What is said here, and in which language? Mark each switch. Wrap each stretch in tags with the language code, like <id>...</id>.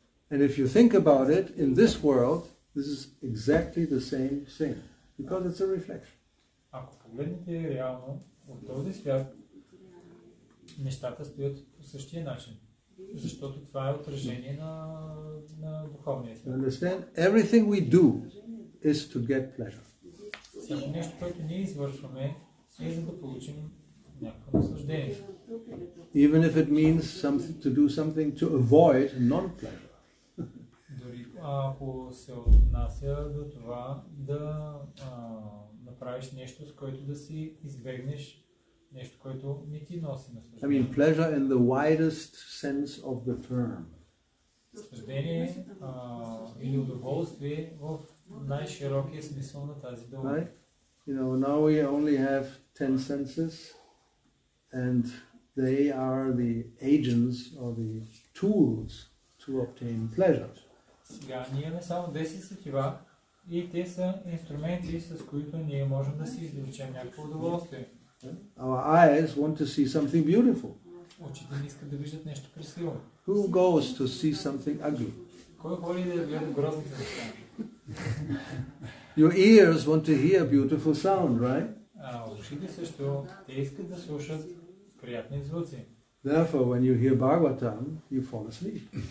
<en>And if you think about it, in this world, this is exactly the same thing, because it's a reflection.</en> <bg>Ако погледнете реално от този свят, нещата стоят по същия начин, защото това е отражение на духовния свят.</bg> <en>You understand? Everything we do is to get pleasure.</en> <bg>Само нещо, което ние извършваме, е за да получим някакво наслаждение.</bg> <en>Even if it means something to do something to avoid non-pleasure.</en> <bg>Ако се отнася до това да направиш нещо, с което да си избегнеш нещо, което не ти носи наслаждение.</bg> <en>I mean pleasure in the widest sense of the term.</en> <bg>Наслаждение или удоволствие в най-широкия смисъл на тази дума.</bg> <en>Right? You know, now we only have 10 senses and they are the agents or the tools to obtain pleasure.</en> <bg>Сега ние имаме само 10 сетива, И те са инструменти, с които ние можем да си извлечем някакво удоволствие.</bg> <en>Our eyes want to see something beautiful.</en> <bg>Очите ни искат да виждат нещо красиво.</bg> <en>Who goes to see something ugly?</en> <bg>Кой ходи да гледа грозни неща?</bg> <en>Your ears want to hear beautiful sound, right?</en> <bg>Ушите също, те искат да слушат приятни звуци.</bg> <en>Therefore, when you hear Bhagavatam, you fall asleep.</en>